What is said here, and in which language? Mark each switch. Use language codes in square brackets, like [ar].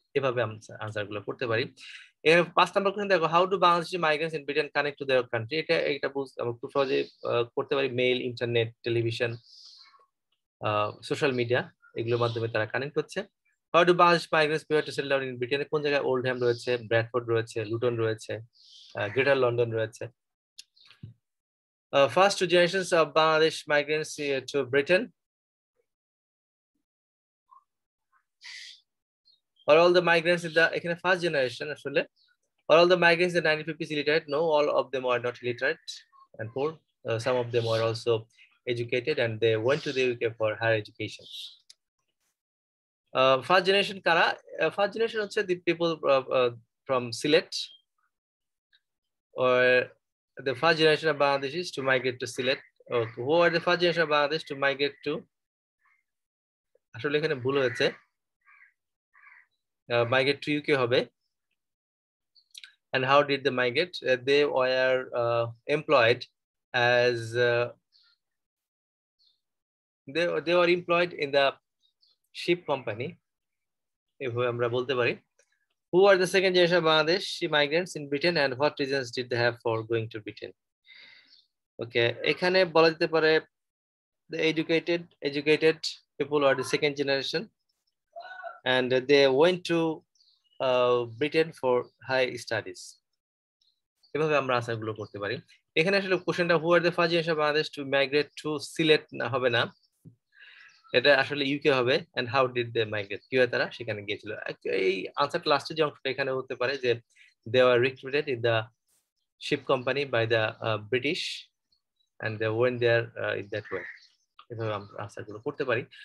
[bn] এভাবে আমরা আনসারগুলো করতে পারি। এর পাঁচ নম্বর কোশ্চেন দেখো, [en] how do Bangladeshi migrants in Britain connect to their country, [bn] এটা এটা বুঝতে আমরা খুব সহজে করতে পারি, mail, internet, television, social media এগুলোর মাধ্যমে তারা কানেক্ট হচ্ছে। [en] how do Bangladesh migrants prefer to settle down in Britain, [bn] কোন জায়গায় ওল্ডহ্যাম রয়েছে, ব্র্যাডফোর্ড রয়েছে, লুটন রয়েছে, গ্রেটার লন্ডন রয়েছে। [en] First two generations of Bangladesh migrants to Britain. Are all the migrants in the first generation, actually? Are all the migrants in the 1950s illiterate? No, all of them are not illiterate and poor. Some of them are also educated and they went to the UK for higher education. First generation [bn] kara? [en] First generation [bn] hocche [en] the people from Sylhet or the first generation of Bangladeshis to migrate to Sylhet. Okay. Who are the first generation of Bangladesh to migrate to? [bn] Actually, এখানে ভুল হয়েছে, [en] migrate to UK [bn] হবে. [en] And how did they migrate? They were employed as they were employed in the ship company. [bn] এভাবে আমরা বলতে পারি. [en] Who are the second generation of Bangladeshi migrants in Britain and what reasons did they have for going to Britain? Okay, [bn] এখানে বলা যেতে পারে [en] the educated people are the second generation and they went to Britain for high studies. [bn] এভাবে আমরা আনসারগুলো করতে পারি। এখানে আসলে কোশ্চেনটা [en] who are the first generation of Bangladesh to migrate to Sylhet [bn] না হবে না, এটা আসলে ইউকে হবে, [en] and how did they migrate, [bn] কিভাবে তারা সেখানে গিয়েছিল। এই আনসার লাস্টের যে অংশটা এখানে হতে পারে যে [en] they were recruited in the ship company by the British and they went there in that way, [bn] এভাবে আমরা আনসারগুলো করতে পারি।